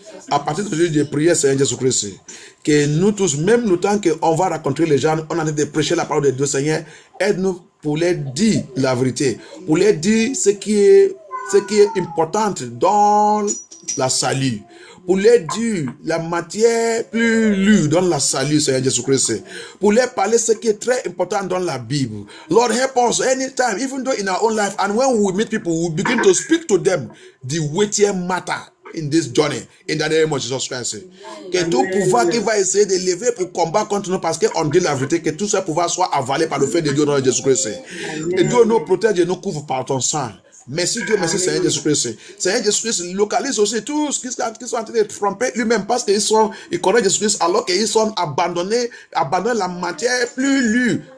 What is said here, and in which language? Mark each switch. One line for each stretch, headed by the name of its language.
French: À partir de ce jour, j'ai prié, Seigneur Jésus Christ, que nous tous, même le temps qu'on va rencontrer les gens, on a envie de prêcher la parole de Dieu, Seigneur, aide-nous pour leur dire la vérité, pour leur dire ce qui est important dans la salut, pour leur dire la matière plus lue dans la salut, Seigneur Jésus-Christ, pour leur parler ce qui est très important dans la Bible.
English: Lord, help us anytime, even though in our own life, and when we meet people, we begin to speak to them the weightier matter in this journey, in the name of Jesus Christ. Amen.
French: Que tout pouvoir qui va essayer de lever pour combattre contre nous parce qu'on dit la vérité, que tout ce pouvoir soit avalé par le feu de Dieu dans Jésus Christ. Et Dieu nous protège et nous couvre par ton sang. Merci Dieu, merci. Amen. Seigneur Jésus Christ. Seigneur Jésus Christ localise aussi tous qui sont en train de tromper lui-même parce qu'ils sont, ils connaissent Jésus Christ alors qu'ils sont abandonnés la matière plus lue.